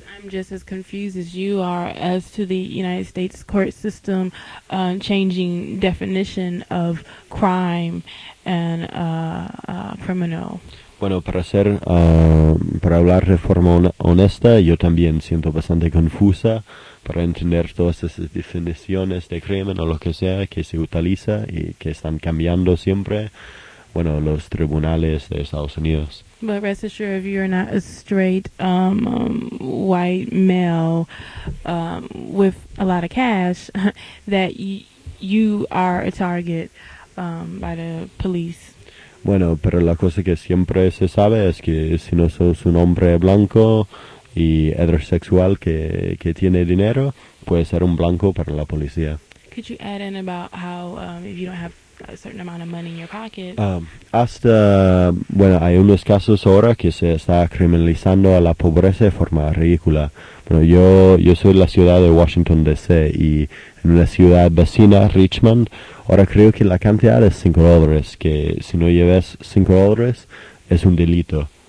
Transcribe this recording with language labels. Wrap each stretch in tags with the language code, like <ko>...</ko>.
<en>Just as confused as you are as to the United States court system changing definition of crime and criminal.</en> <es>Bueno, para hablar de forma honesta, yo también siento bastante confusa para entender todas esas definiciones de crimen o lo que sea que se utiliza y que están cambiando siempre, bueno, los tribunales de Estados Unidos.</es> <en>But rest assured, if you're not a straight white male with a lot of cash, that you are a target by the police.</en> <es>Bueno, pero la cosa que siempre se sabe es que si no sos un hombre blanco y heterosexual que tiene dinero, puede ser un blanco para la policía.</es> <en>Could you add in about how if you don't have a certain amount of money in your pocket.</en> <es>Hay unos casos ahora que se está criminalizando a la pobreza de forma ridícula. Bueno, yo soy de la ciudad de Washington, D.C., y en la ciudad vecina, Richmond, ahora creo que la cantidad es $5, que si no lleves $5, es un delito.</es>